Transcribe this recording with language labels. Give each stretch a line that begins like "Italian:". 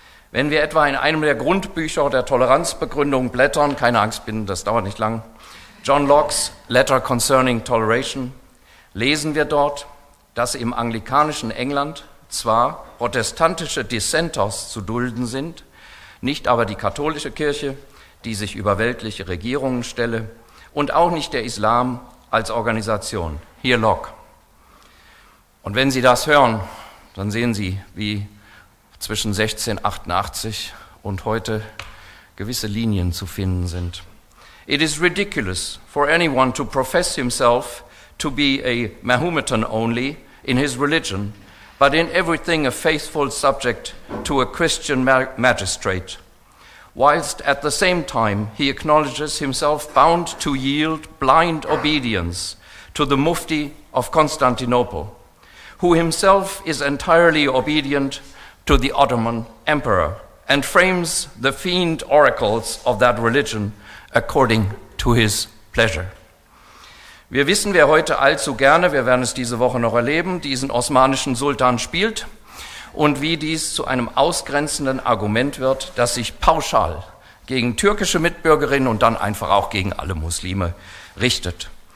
German: Wenn wir etwa in einem der Grundbücher der Toleranzbegründung blättern, keine Angst, bin, das dauert nicht lang, John Locke's Letter Concerning Toleration, lesen wir dort, dass im anglikanischen England zwar protestantische Dissenters zu dulden sind, nicht aber die katholische Kirche, die sich über weltliche Regierungen stelle, und auch nicht der Islam als Organisation. Hier Locke. Und wenn Sie das hören, dann sehen Sie, wie zwischen 1688 und heute gewisse Linien zu finden sind.
English: It is ridiculous for anyone to profess himself to be a Mahometan only in his religion, but in everything a faithful subject to a Christian magistrate, whilst at the same time he acknowledges himself bound to yield blind obedience to the Mufti of Constantinople, who himself is entirely obedient to the Ottoman Emperor and frames the fiend oracles of that religion according to his pleasure.
German: Wir wissen, wer heute allzu gerne, wir werden es diese Woche noch erleben, diesen osmanischen Sultan spielt und wie dies zu einem ausgrenzenden Argument wird, das sich pauschal gegen türkische Mitbürgerinnen und dann einfach auch gegen alle Muslime richtet.